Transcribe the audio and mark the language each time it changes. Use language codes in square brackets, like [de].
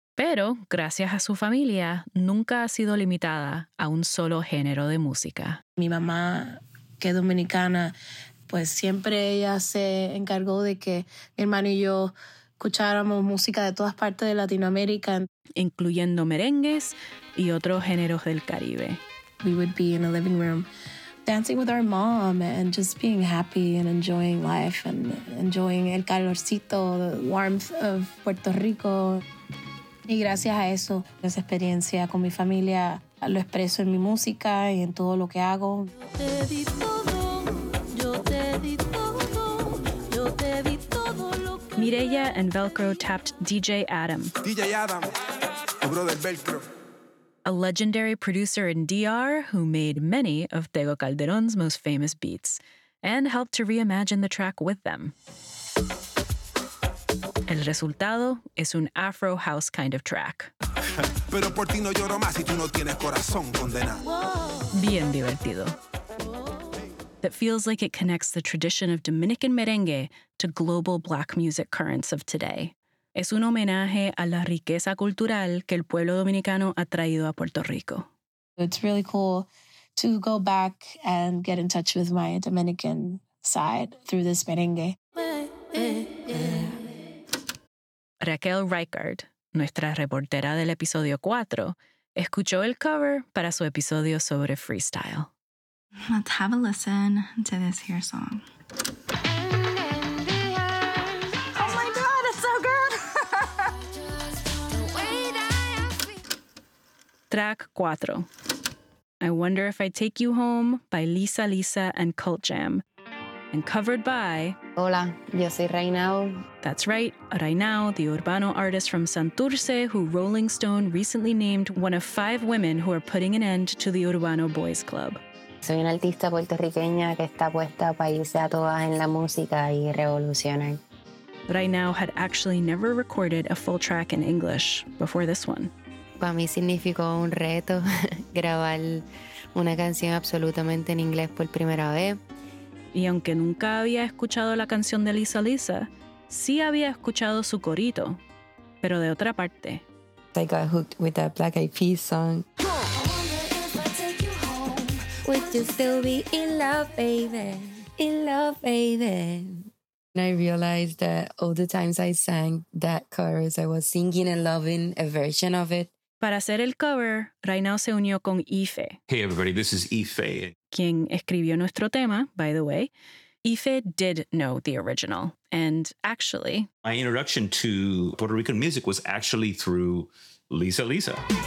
[es] Pero, gracias a su familia, nunca ha sido limitada a un solo género de música. Mi mamá, que es dominicana, pues siempre ella se encargó de que mi hermano y yo escucháramos música de todas partes de Latinoamérica. Incluyendo merengues y otros géneros del Caribe. [en] We would be in a living room dancing with our mom and just being happy and enjoying life and enjoying [es] el calorcito, [en] the warmth of Puerto Rico. [es] Y gracias a eso, esa experiencia con mi familia, lo expreso en mi música y en todo lo que hago. Te di todo, yo te di todo, yo te di todo lo que... [en] Mireya and Velcro tapped DJ Adam. [es] DJ Adam, tu brother Velcro. [en] A legendary producer in DR who made many of Tego Calderón's most famous beats and helped to reimagine the track with them. [es] El resultado es un Afro House [en] kind of track. [es] Pero por ti no lloro más si tú no tienes corazón condenado. Bien divertido. [en] That feels like it connects the tradition of Dominican merengue to global black music currents of today. [es] Es un homenaje a la riqueza cultural que el pueblo dominicano ha traído a Puerto Rico. [en] It's really cool to go back and get in touch with my Dominican side through this merengue. [es] Raquel Reichard, nuestra reportera del episodio 4, escuchó el cover para su episodio sobre freestyle. [en] Let's have a listen to this here song. Oh my God, it's so good! Track 4. I Wonder If I Take You Home by Lisa Lisa and Cult Jam. And covered by... [es] Hola, yo soy Reinao. [en] That's right, Reinao, the Urbano artist from Santurce, who Rolling Stone recently named one of five women who are putting an end to the Urbano Boys Club. [es] Soy una artista puertorriqueña que está puesta para irse a todas en la música y revolucionar. [en] Reinao had actually never recorded a full track in English before this one. [es] Para mí significó un reto grabar una canción absolutamente en inglés por primera vez. Y aunque nunca había escuchado la canción de Lisa Lisa, sí había escuchado su corito, pero de otra parte. [en] I got hooked with that Black Eyed Peas song. I wonder if I take you home. Would you still be in love, baby? In love, baby. And I realized that all the times I sang that chorus, I was singing and loving a version of it. [es] Para hacer el cover, Reinao se unió con Ife. [en] Hey everybody, this is Ife. [es] Quien escribió nuestro tema, [en] by the way. Ife did know the original. And actually... My introduction to Puerto Rican music was actually through Lisa Lisa.